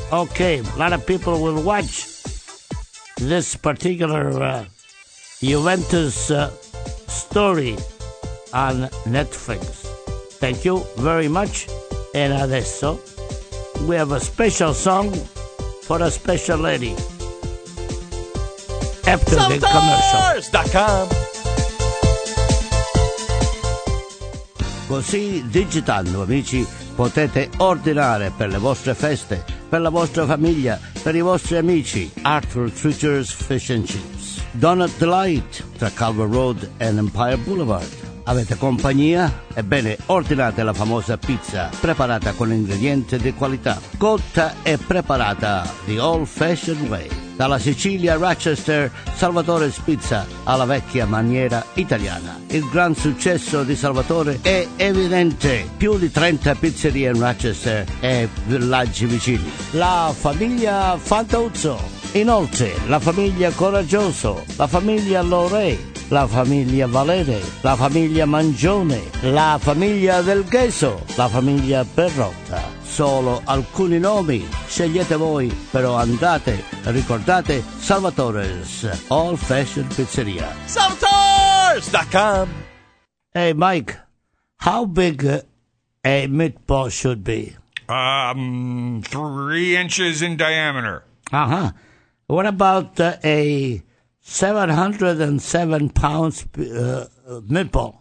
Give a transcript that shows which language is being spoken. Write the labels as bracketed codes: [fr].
[en] Okay, a lot of people will watch this particular Juventus story on Netflix. Thank you very much. And [it] adesso [en] we have a special song for a special lady after the commercial. [it] Così digitando, amici, potete ordinare per le vostre feste, per la vostra famiglia, per i vostri amici. Arthur Treacher's Fish [en] and [it] Chips, Donut Delight, tra Calvert Road and Empire Boulevard. Avete compagnia? Ebbene, ordinate la famosa pizza preparata con ingredienti di qualità, cotta e preparata [en] the old fashioned way. [it] dalla Sicilia a [en] Rochester, [it] Salvatore Spizza alla vecchia maniera italiana. Il gran successo di Salvatore è evidente. Più di 30 pizzerie in Rochester e villaggi vicini. La famiglia Fantauzzo. Inoltre, la famiglia Coraggioso, la famiglia Lorei, la famiglia Valere, la famiglia Mangione, la famiglia Del Gheso, la famiglia Perrotta. Solo alcuni nomi, scegliete voi, però andate, ricordate, [en] Salvatore's Old Fashioned Pizzeria. [it] Salvatore's.com. [en] Hey Mike, how big a meatball should be? 3 inches in diameter. Uh-huh. What about a 707 pounds meatball?